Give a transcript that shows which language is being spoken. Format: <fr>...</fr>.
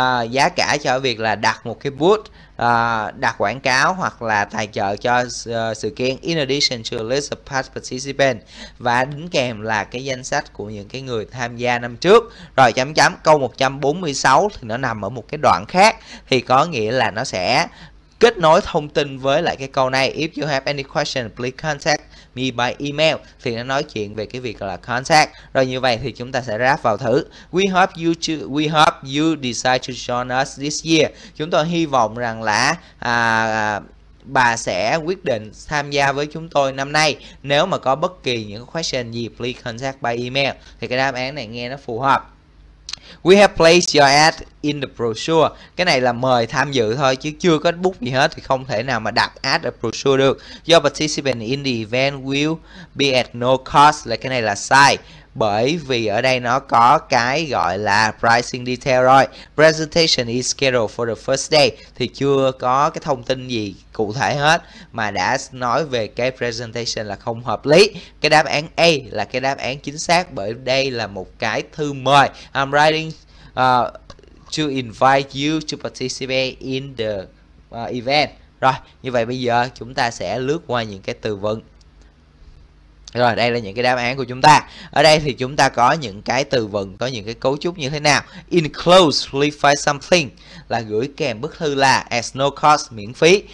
<vi>Giá cả cho việc là đặt một cái booth, đặt quảng cáo hoặc là tài trợ cho sự kiện,</vi> <en>in addition to a list of past participants,</en> <vi>và đính kèm là cái danh sách của những cái người tham gia năm trước. Rồi chấm chấm. Câu 146 thì nó nằm ở một cái đoạn khác, thì có nghĩa là nó sẽ kết nối thông tin với lại cái câu này.</vi> <en>If you have any question, please contact me by email,</en> <vi>thì nó nói chuyện về cái việc là contact. Rồi như vậy thì chúng ta sẽ ráp vào thử.</vi> <en>We hope you decide to join us this year.</en> <vi>Chúng tôi hy vọng rằng là bà sẽ quyết định tham gia với chúng tôi năm nay. Nếu mà có bất kỳ những question gì,</vi> <en>please contact by email,</en> <vi>thì cái đáp án này nghe nó phù hợp.</vi> <en>We have placed your ad in the brochure.</en> <vi>Cái này là mời tham dự thôi chứ chưa có book gì hết, thì không thể nào mà đặt ad ở brochure được.</vi> <en>Your participation in the event will be at no cost,</en> <vi>là cái này là sai. Bởi vì ở đây nó có cái gọi là pricing detail rồi.</vi> <en>Presentation is scheduled for the first day,</en> <vi>thì chưa có cái thông tin gì cụ thể hết mà đã nói về cái presentation là không hợp lý. Cái đáp án A là cái đáp án chính xác, bởi đây là một cái thư mời.</vi> <en>I'm writing to invite you to participate in the event.</en> <vi>Rồi, như vậy bây giờ chúng ta sẽ lướt qua những cái từ vựng. Rồi, đây là những cái đáp án của chúng ta. Ở đây thì chúng ta có những cái từ vựng, có những cái cấu trúc như thế nào.</vi> <en>Enclose, leave find something</en> <vi>là gửi kèm bức thư, là</vi> <en>at no cost,</en> <vi>miễn phí.</vi>